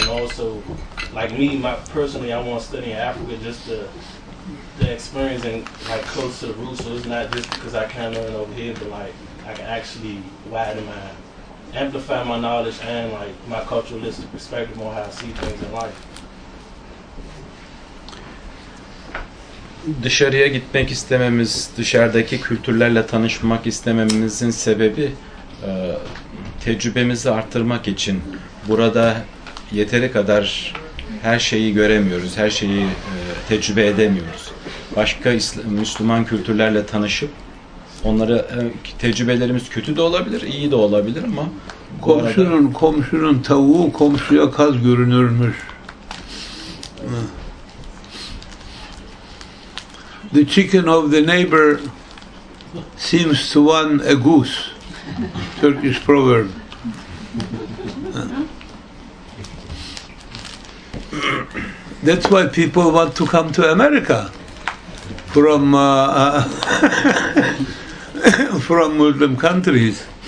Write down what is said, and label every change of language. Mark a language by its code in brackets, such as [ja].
[en] And also, like me, personally, I want to study in Africa just to experience and, like, close to the roots. So it's not just because I can't learn over here, but, like, I can actually amplify my knowledge and, like, my culturalistic perspective on how I see things in life. [tr] Dışarıya gitmek istememiz, dışarıdaki kültürlerle tanışmak istememizin sebebi tecrübemizi artırmak için. Burada yeteri kadar her şeyi göremiyoruz, her şeyi tecrübe edemiyoruz. Başka Müslüman kültürlerle tanışıp onları tecrübelerimiz kötü de olabilir, iyi de olabilir ama komşunun tavuğu komşuya kaz görünürmüş. [en] The chicken of the neighbor seems to one a goose. Turkish proverb. That's why people want to come to America from from Muslim countries.